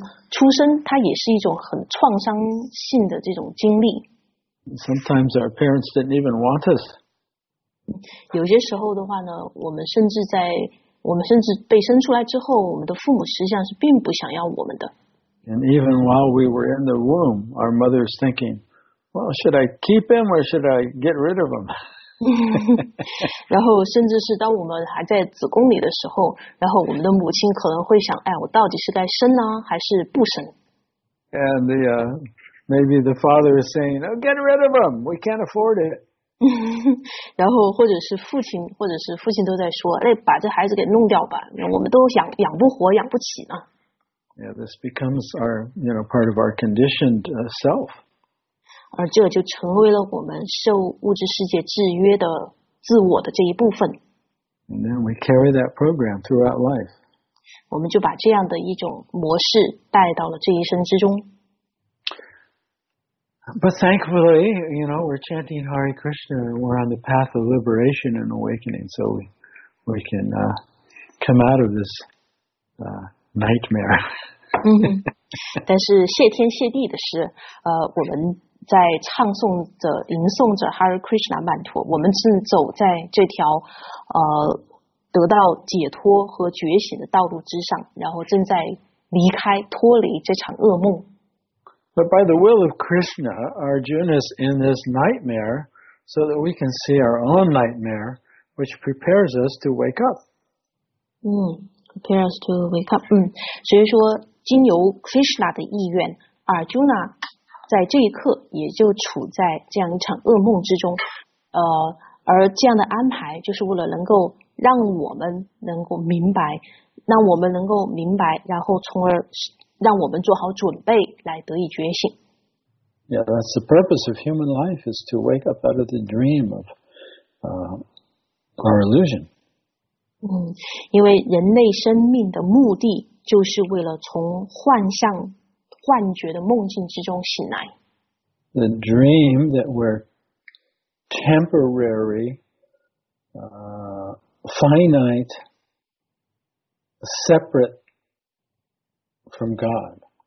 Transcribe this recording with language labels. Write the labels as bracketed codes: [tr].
[zh] 出生它也是一种很创伤性的这种经历。 [en] Sometimes our parents didn't even want us. [zh] 有些时候的话呢，我们甚至被生出来之后，我们的父母实际上是并不想要我们的。 [en] And even while we were in the womb, our mother's thinking, well, should I keep him or should I get rid of him? [zh] 然后甚至是当我们还在子宫里的时候，然后我们的母亲可能会想，哎，我到底是该生呢，还是不生？ [en] And maybe the father is saying, oh, get rid of him, we can't afford it. [zh] 然后或者是父亲都在说，哎，把这孩子给弄掉吧，我们都养不活，养不起呢。 [en] Yeah, this becomes our, you know, part of our conditioned self. [zh] 而这就成为了我们受物质世界制约的自我的这一部分。 [en] And then we carry that program throughout life. [zh] 我们就把这样的一种模式带到了这一生之中。 [en] But thankfully, you know, we're chanting Hare Krishna and we're on the path of liberation and awakening, so we can come out of this nightmare. [zh] 但是谢天谢地的是，我们在唱诵着、吟诵着 Hare Krishna 曼陀，我们是走在这条得到解脱和觉醒的道路之上，然后正在离开脱离这场噩梦。 [en] But by the will of Krishna, Arjuna is in this nightmare so that we can see our own nightmare, which prepares us to wake up. Prepare us to wake up. [zh] 所以说经由 Krishna 的意愿， Arjuna 在这一刻也就处在这样一场噩梦之中。而这样的安排就是为了能够让我们能够明白，让我们能够明白，然后从而让我们做好准备来得以觉醒。 [en] Yeah, that's the purpose of human life is to wake up out of the dream of our illusion. [zh] 因为人类生命的目的就是为了从幻象、幻觉的梦境之中醒来。 [en] The dream that we're temporary, finite, separate. From God.